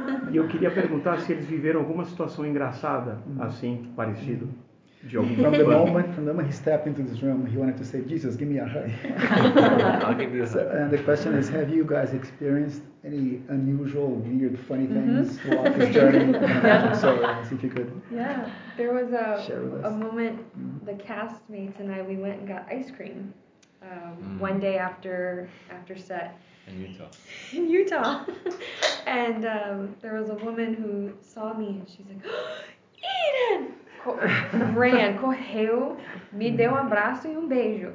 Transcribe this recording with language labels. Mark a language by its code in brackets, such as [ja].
[pt] E eu queria perguntar se eles viveram alguma situação engraçada, assim, parecido. [en] From the moment, he stepped into this room, he wanted to say, Jesus, give me a hug. I'll give you a hug. And the question is, have you guys experienced any unusual, weird, funny things throughout this journey? So, see if you could. Yeah, there was a moment, the castmates and I, we went and got ice cream one day after set. In Utah. And there was a woman who saw me, and she's like, Eden! Ran, [pt] correu, me deu abraço e beijo.